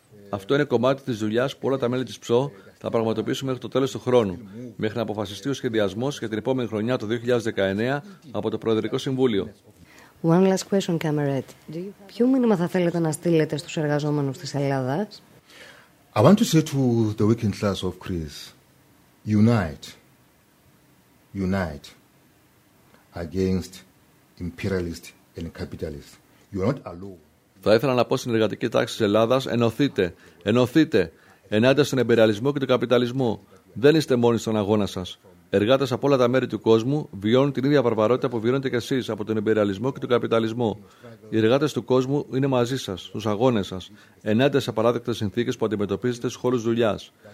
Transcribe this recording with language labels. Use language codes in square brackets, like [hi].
[el] Αυτό είναι κομμάτι της δουλειάς που όλα τα μέλη της ΨΟΟ θα πραγματοποιήσουμε μέχρι το τέλος του χρόνου, μέχρι να αποφασιστεί ο σχεδιασμός για την επόμενη χρονιά το 2019 από το Προεδρικό Συμβούλιο. [en] One last question, Cameret. [el] Ποιο μήνυμα θα θέλετε να στείλετε στους εργαζόμενους της Ελλάδας? [en] I want to say to the working class of Greece, unite, unite against imperialist and capitalist. You are not alone. [el] Θα ήθελα να πω στην εργατική τάξη της Ελλάδας, ενωθείτε, ενωθείτε, ενάντια στον εμπεριαλισμό και τον καπιταλισμό. Δεν είστε μόνοι στον αγώνα σας. Εργάτες από όλα τα μέρη του κόσμου βιώνουν την ίδια βαρβαρότητα που βιώνετε κι εσείς από τον εμπεριαλισμό και τον καπιταλισμό. Οι εργάτες του κόσμου είναι μαζί σας, στους αγώνες σας, ενάντια σε απαράδεκτες συνθήκες που αντιμετωπίζετε στους χώρους δουλειάς.